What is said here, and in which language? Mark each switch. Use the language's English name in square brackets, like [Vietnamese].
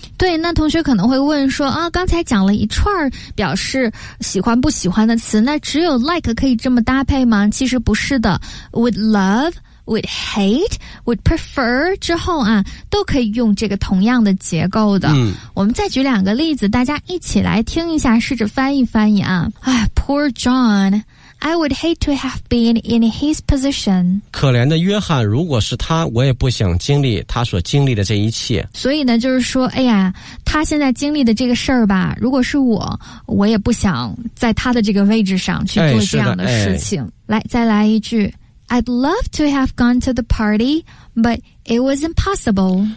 [Chinese] 对，那同学可能会问说啊，刚才讲了一串表示喜欢不喜欢的词，那只有 like 可以这么搭配吗？其实不是的 ， [English] would love。Would hate, would prefer [Chinese] 之后啊，都可以用这个同样的结构的。嗯，我们再举两个例子，大家一起来听一下，试着翻译翻译啊。哎 [English] ，Poor John, I would hate to have been in his position. [Chinese] 可怜的约翰，如果是他，我也不想经历他所经历的这一切。所以呢，就是说，哎呀，他现在经历的这个事儿吧，如果是我，我也不想在他的这个位置上去做这样的事情。哎，来，再来一句。 [English] I'd love to have gone to the party, but it was impossible.